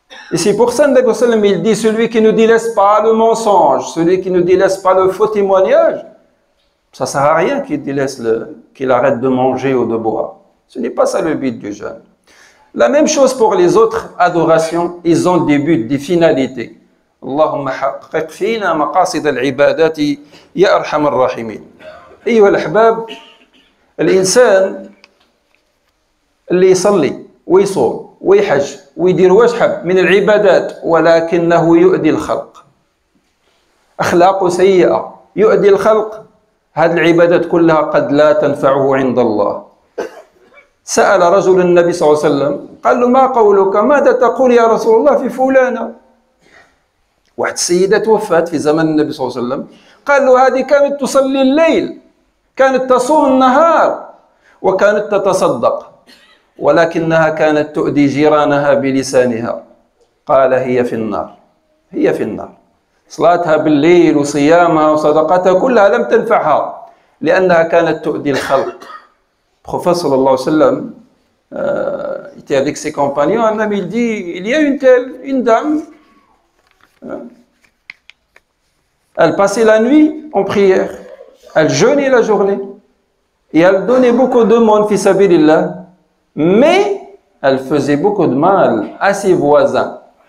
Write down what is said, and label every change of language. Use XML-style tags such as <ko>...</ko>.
<fr>Et c'est pour ça que il dit celui qui ne délaisse pas le mensonge, celui qui ne délaisse pas le faux témoignage, ça ne sert à rien qu'il arrête de manger ou de boire. Ce n'est pas ça le but du jeûne. La même chose pour les autres adorations, ils ont des buts, des finalités.</fr> <ar>اللهم حقق فينا مقاصد العبادات يا أرحم الراحمين. أيها الأحباب، الإنسان اللي يصلي ويصوم ويحج ويدير واجحب من العبادات ولكنه يؤذي الخلق، أخلاقه سيئة يؤذي الخلق، هذه العبادات كلها قد لا تنفعه عند الله. سأل رجل النبي صلى الله عليه وسلم، قال له ما قولك، ماذا تقول يا رسول الله في فلانة؟ واحد السيدة توفت في زمن النبي صلى الله عليه وسلم، قال له هذه كانت تصلي الليل، كانت تصوم النهار، وكانت تتصدق، ولكنها كانت تؤذي جيرانها بلسانها، قال هي في النار، هي في النار، صلاتها بالليل وصيامها وصدقتها كلها لم تنفعها، لأنها كانت تؤذي الخلق.</ar> <fr>بروفيسور</fr> <ar>صلى الله عليه وسلم</ar> <fr>était avec ses compagnons, un ami dit il y a une telle, une dame, elle passait la nuit en prière, elle jeûnait la journée et elle donnait beaucoup de monde fi sabilillah, mais elle faisait beaucoup de mal à ses voisins.</fr>